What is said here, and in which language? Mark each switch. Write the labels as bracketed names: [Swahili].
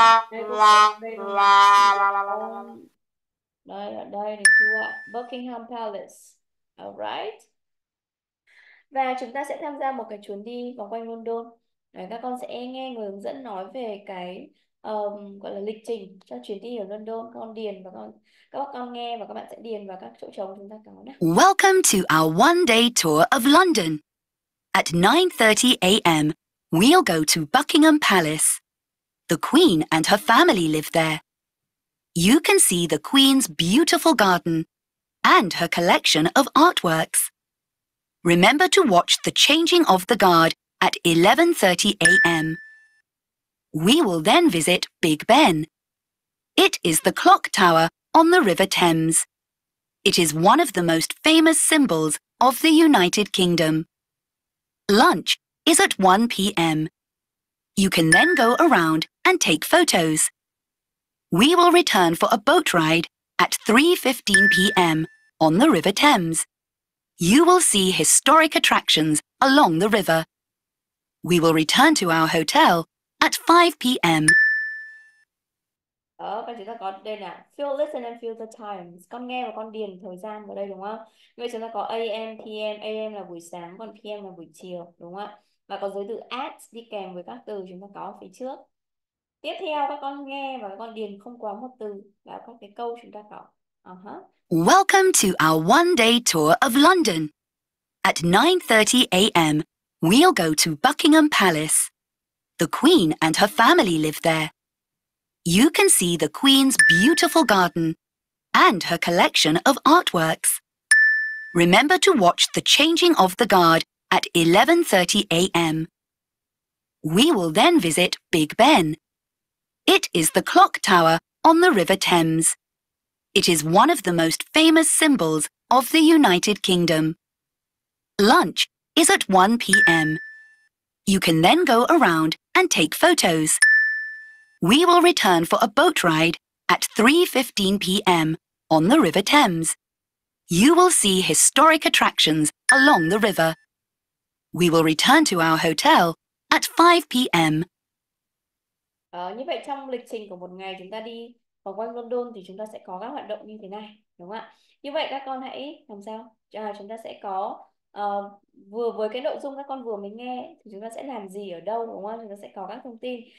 [Vietnamese] Đây cũng có đây đúng không? Con đây ở đây này chú ạ, Buckingham Palace. Alright. Và chúng ta sẽ tham gia một cái chuyến đi vòng quanh London. Đấy, các con sẽ nghe người hướng dẫn nói về cái gọi là lịch trình cho chuyến đi ở London. Các con điền và các con nghe và các bạn sẽ điền vào các chỗ trống chúng ta có nhé. [English] Welcome to our one-day tour of London. At 9:30 a.m., we'll go to Buckingham Palace. The Queen and her family live there. You can see the Queen's beautiful garden and her collection of artworks. Remember to watch the changing of the guard at 11:30 a.m. We will then visit Big Ben. It is the clock tower on the River Thames. It is one of the most famous symbols of the United Kingdom. Lunch is at 1 p.m. You can then go around and take photos. We will return for a boat ride at 3:15 p.m. on the River Thames. You will see historic attractions along the river. We will return to our hotel at 5 p.m. [Vietnamese] Đó, chúng ta có đây nè, [English] feel listen and feel the times. [Vietnamese] Con nghe và con điền thời gian vào đây đúng không? Vậy chúng ta có AM, PM. AM là buổi sáng, còn PM là buổi chiều đúng không? Và có dấu từ at đi kèm với các từ chúng ta có phía trước. Tiếp theo các con nghe và các con điền không quá một từ vào các cái câu chúng ta có. [English] Welcome to our one-day tour of London. At 9:30 a.m., we'll go to Buckingham Palace. The Queen and her family live there. You can see the Queen's beautiful garden and her collection of artworks. Remember to watch the changing of the guard at 11:30 a.m. We will then visit Big Ben. It is the clock tower on the River Thames. It is one of the most famous symbols of the United Kingdom. Lunch is at 1 p.m. You can then go around and take photos. We will return for a boat ride at 3:15 p.m. on the River Thames. You will see historic attractions along the river. We will return to our hotel at 5 p.m. [Vietnamese] Như vậy trong lịch trình của một ngày chúng ta đi vòng quanh London thì chúng ta sẽ có các hoạt động như thế này, đúng không ạ? Như vậy các con hãy làm sao? Chúng ta sẽ có vừa với cái nội dung các con vừa mới nghe thì chúng ta sẽ làm gì ở đâu, đúng không? Chúng ta sẽ có các thông tin.